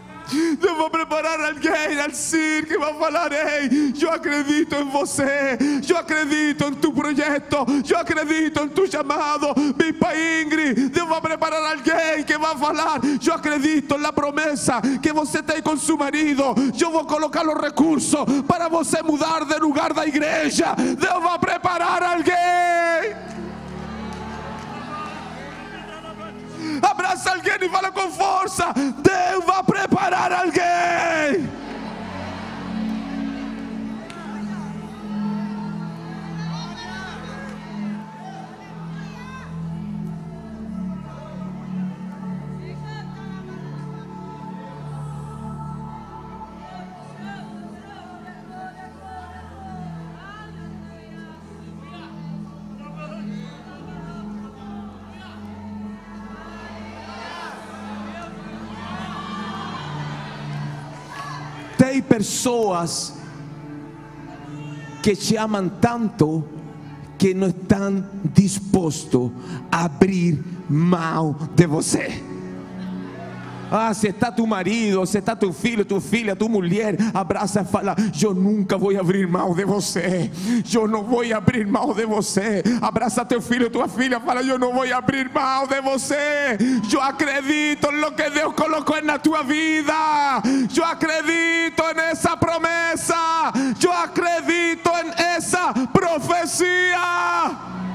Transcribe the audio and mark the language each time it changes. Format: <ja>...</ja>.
<es>Dios va a preparar a alguien, al CIR, que va a hablar: hey, yo acredito en vos, yo acredito en tu proyecto, yo acredito en tu llamado, mi pa Ingrid. Dios va a preparar a alguien que va a hablar: yo acredito en la promesa que vos tenés con su marido, yo voy a colocar los recursos para vos mudar de lugar de iglesia. Dios va a preparar a alguien.</es> <pt>Abraça alguém e fala com força: Deus vai preparar alguém.</pt> <es>Hay personas que te aman tanto que no están dispuestos a abrir mal</es> <pt>de você.</pt> <es>Ah, si está tu marido, si está</es> <pt>tu filho, tu filha,</pt> <es>tu mujer, abraza y fala: yo nunca voy a abrir mal</es> <pt>de você.</pt> <es>Yo no voy a abrir mal</es> <pt>de você.</pt> <es>Abraza a</es> <pt>tu filho, tu filha, fala:</pt> <es>yo no voy a abrir mal de você. Yo acredito en lo que Dios colocó en la tu vida. Yo acredito en esa promesa. Yo acredito en esa profecía.</es>